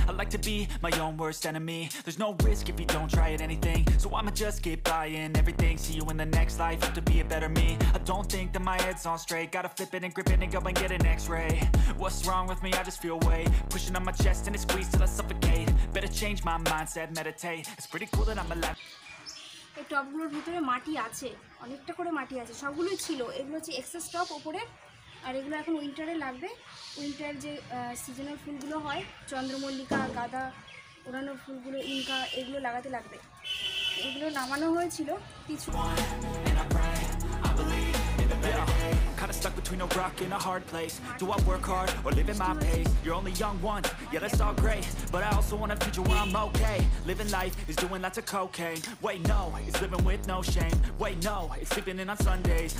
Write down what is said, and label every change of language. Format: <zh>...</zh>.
<en>I like to be my own worst enemy, there's no risk if you don't try at anything, so I'ma just get buying everything. See you in the next life, have to be a better me. I don't think that my head's on straight, gotta flip it and grip it and go and get an x-ray. What's wrong with me? I just feel weight pushing on my chest and it squeezes till I suffocate. Better change my mindset, meditate, it's pretty cool that I'm alive.</en> <bn>এই টপগুলোর ভিতরে মাটি আছে, অনেকটা করে মাটি আছে, সবগুলোই ছিল। এগুলো হচ্ছে এক্সেস টপ ওপরের, আর এগুলো এখন উইন্টারে লাগবে। উইন্টার যে সিজনাল ফুলগুলো হয় চন্দ্রমল্লিকা, গাঁদা, ওড়ানো ফুলগুলো, ইনকা, এগুলো লাগাতে লাগবে। এগুলো নামানো হয়েছিল কিছু</bn> <en>stuck between a rock and a hard place. Do I work hard or live at my pace? You're only young once, yeah that's all great, but I also want a future where I'm okay. Living life is doing lots of cocaine, wait no, it's living with no shame, wait no, it's sleeping in on Sundays.</en>